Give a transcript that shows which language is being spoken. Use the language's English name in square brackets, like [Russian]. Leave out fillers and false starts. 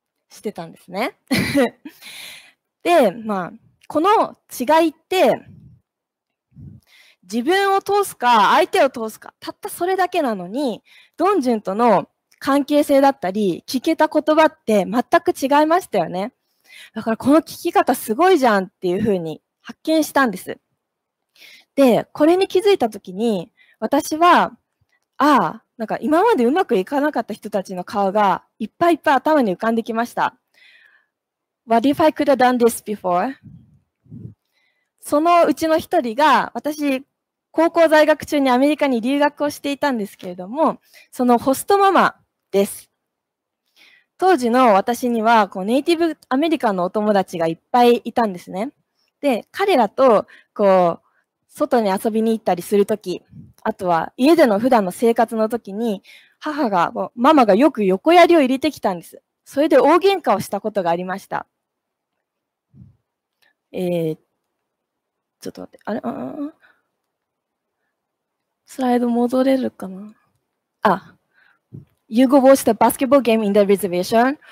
[Japanese] してたんですね。で、まあ、この違いって、自分を通すか相手を通すか、たったそれだけなのに、ドンジュンとの関係性だったり、聞けた言葉って全く違いましたよね。だからこの聞き方すごいじゃんっていう風に発見したんです。で、これに気づいた時に、私は、ああ、なんか今までうまくいかなかった人たちの顔がいっぱいいっぱい頭に浮かんできました。 [English] What if I could have done this before? [Japanese] そのうちの一人が、私、高校在学中にアメリカに留学をしていたんですけれども、そのホストママです。当時の私には、こうネイティブアメリカンのお友達がいっぱいいたんですね。で、彼らと、こう、外に遊びに行ったりするとき、あとは家での普段の生活のときに、母が、ママがよく横やりを入れてきたんです。それで大喧嘩をしたことがありました。ちょっと待って、あれ、うん、スライド戻れるかな。 [English] あ、You go watch the basketball game in the reservation?